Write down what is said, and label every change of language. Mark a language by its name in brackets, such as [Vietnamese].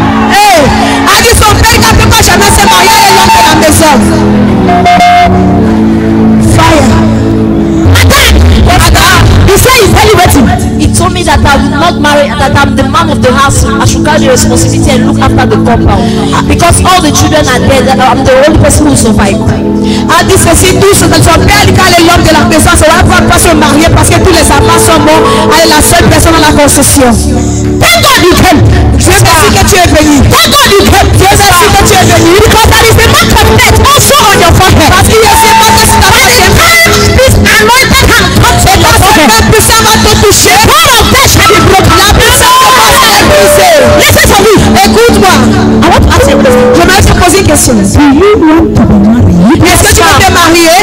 [English] Hey, I did some very happy man. I'm not saying my young man. I'm the son. Fire. Attack. Yes, attack. He said he's celebrating. He told me that I will not marry. That I'm the man of the house. I should carry responsibility and look after the compound. Because all the children are dead, and I'm the only person who survived. [French] Elle dit ceci, tout ce que son père dit qu'elle est l'homme de la maison, ça ne va pas se marier parce que tous les enfants sont morts. Elle est la seule personne dans la concession. [English] Thank God you came. [French] Dieu merci que tu es venu. [English] Thank God you came. [French] Dieu merci que tu es venu. [English] Because there is a mark of death also on your forehead. [French] Parce qu'il y a ce mark aussi dans ta tête. [English] This anointed hand touched your forehead. [French] Parce que même puissant va te toucher. [English] The whole of death shall be broken. [French] La puissance va être brisée. [English] Listen to me. [French] Écoute-moi. [English] I want to ask you a question. [French] Je vais te poser une question. [English] Do you want to be married? [French] Est-ce que tu veux te marier?